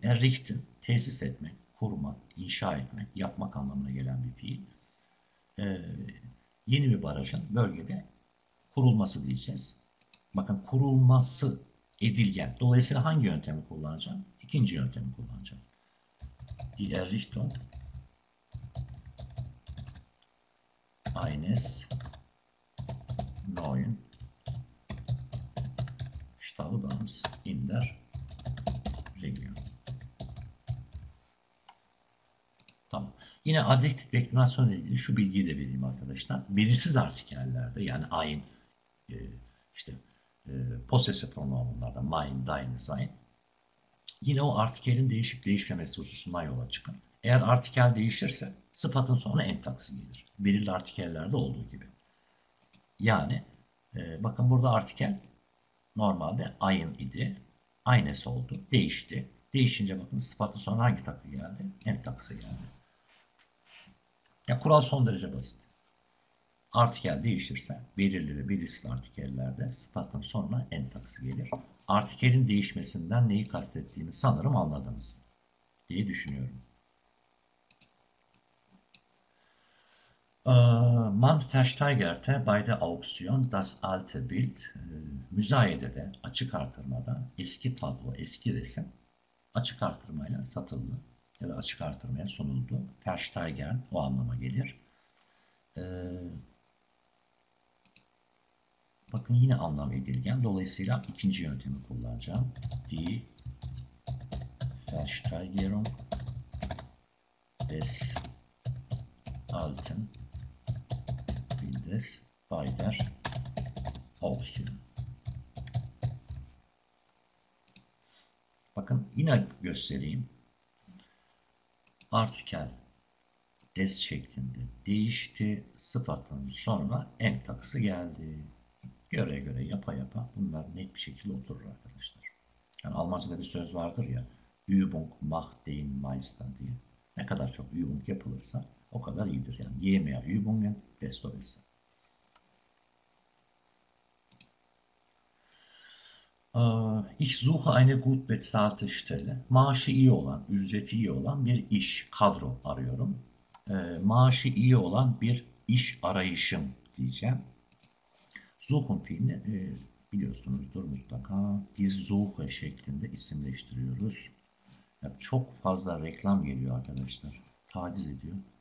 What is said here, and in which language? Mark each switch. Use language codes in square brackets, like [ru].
[tr] Errichten, tesis etmek, kurmak, inşa etmek, yapmak anlamına gelen bir fiil. Yeni bir barajın bölgede kurulması diyeceğiz. Bakın kurulması edilgen. Dolayısıyla hangi yöntemi kullanacağım? İkinci yöntemi kullanacağım. [de] Die Errichtung eines neuen Staudamms in der Region. [tr] Tamam. Yine adjektif deklinasyon ile ilgili şu bilgiyi de vereyim arkadaşlar. Belirsiz artikellerde yani ein işte possessive pronomlarda mein, dein, sein. Yine o artikelin değişip değişmemesi hususundan yola çıkın. Eğer artikel değişirse sıfatın sonuna en taksi gelir. Belirli artikellerde olduğu gibi. Yani bakın burada artikel normalde ayın idi. Aynes oldu. Değişti. Değişince bakın sıfatın sonuna hangi takı geldi? En taksi geldi. Ya, kural son derece basit. Artikel değişirse belirli ve belirsiz artikellerde sıfatın sonuna en taksi gelir. Artikelin değişmesinden neyi kastettiğimi sanırım anladınız diye düşünüyorum. [de] Man versteigerte bei der Auktion das alte Bild. [tr] Müzayedede, açık artırmada eski tablo, eski resim açık artırmayla satıldı ya da açık artırmaya sunuldu. Versteigern o anlama gelir. Bakın yine anlam edilgen. Dolayısıyla ikinci yöntemi kullanacağım. [de] Die Versteigerung des alten Bildes bei der Auktion. [tr] Bakın yine göstereyim. Artikel des şeklinde değişti. Sıfatın sonra en takısı geldi. Göre göre yapa yapa bunlar net bir şekilde oturur arkadaşlar. Yani Almanca'da bir söz vardır ya. [de] Übung macht den Meister diye. [tr] Ne kadar çok Übung yapılırsa o kadar iyidir. [de] Yani je mehr Übungen desto besser. Ich suche eine gut bezahlte Stelle. [tr] Maaşı iyi olan, ücreti iyi olan bir iş, kadro arıyorum. Maaşı iyi olan bir iş arayışım diyeceğim. Suchen fiilini biliyorsunuzdur mutlaka. Die Suche şeklinde isimleştiriyoruz. Ya, çok fazla reklam geliyor arkadaşlar. Taciz ediyor.